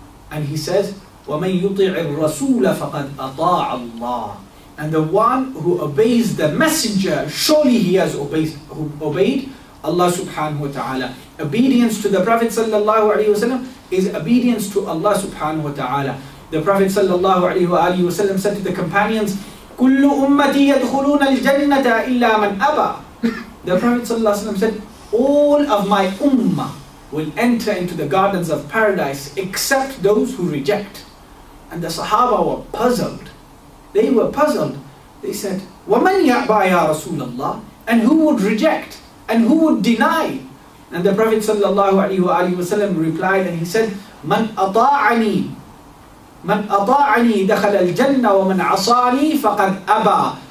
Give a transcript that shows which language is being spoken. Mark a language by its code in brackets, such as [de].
[en] And He says, [ar] وَمَنْ يُطِعِ الرَّسُولَ فَقَدْ أَطَاعَ اللَّهِ. [en] And the one who obeys the Messenger, surely he has obeyed Allah subhanahu wa ta'ala. Obedience to the Prophet sallallahu alayhi wa sallam is obedience to Allah subhanahu wa ta'ala. The Prophet sallallahu alaihi wasallam said to the companions, [ar] كُلُّ أُمَّتِي يَدْخُلُونَ الْجَنَّةَ إِلَّا مَنْ أَبَى. [en] The Prophet said, all of my ummah will enter into the gardens of paradise except those who reject. And the Sahaba were puzzled. They were puzzled. They said, [ar] وَمَنْ يَعْبَى يَا رَسُولَ اللَّهِ. [en] And who would reject? And who would deny? And the Prophet ﷺ replied and he said, [ar] مَنْ أَطَاعَنِي مَنْ أَطَاعَنِي دَخَلَ الْجَنَّةَ وَمَنْ عَصَانِي فَقَدْ أَبَى.